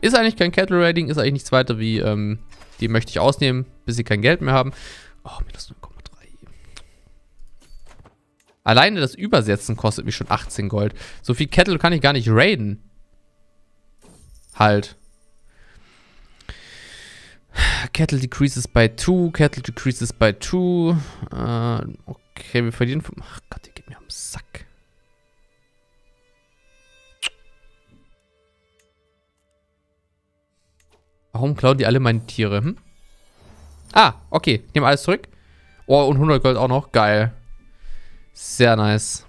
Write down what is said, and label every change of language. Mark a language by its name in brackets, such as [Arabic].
[German] Ist eigentlich kein Cattle Raiding, ist eigentlich nichts weiter wie, die möchte ich ausnehmen, bis sie kein Geld mehr haben. Oh, minus 0,3. Alleine das Übersetzen kostet mich schon 18 Gold. So viel Cattle kann ich gar nicht raiden. Halt. [English] Cattle decreases by 2, Cattle decreases by 2. [German] Okay, wir verlieren. Ach Gott, ihr geht mir am Sack. Warum klauen die alle meine Tiere? Hm? Ah, okay. Ich nehme alles zurück. Oh, und 100 Gold auch noch. Geil. Sehr nice.